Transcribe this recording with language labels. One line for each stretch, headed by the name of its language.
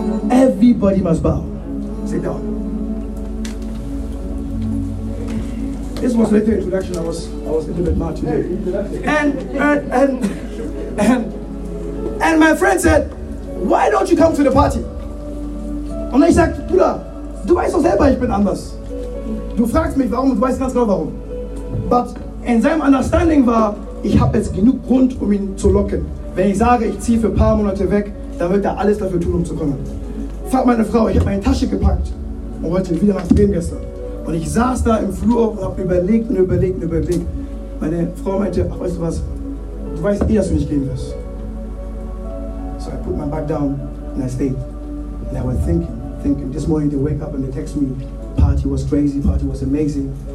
English: Everybody must bow. Sit down. This was a little introduction. I was a little bit mad today. And my friend said, why don't you come to the party?
German: Und ich sagte, Bruder, du weißt doch selber, ich bin anders. Du fragst mich warum und du weißt ganz genau warum. But in seinem Understanding war, ich habe jetzt genug Grund, um ihn zu locken. Wenn ich sage, ich ziehe für ein paar Monate weg, dann wird er alles dafür tun, um zu kommen. Frag meine Frau, ich habe meine Tasche gepackt und wollte wieder nach Bremen gestern. Und ich saß da im Flur und habe überlegt und überlegt und überlegt. Meine Frau meinte, ach, weißt du was, du weißt eh, dass du nicht gehen wirst.
English: So I put my back down and I stayed. And I was thinking. This morning they wake up and they text me, party was crazy, party was amazing.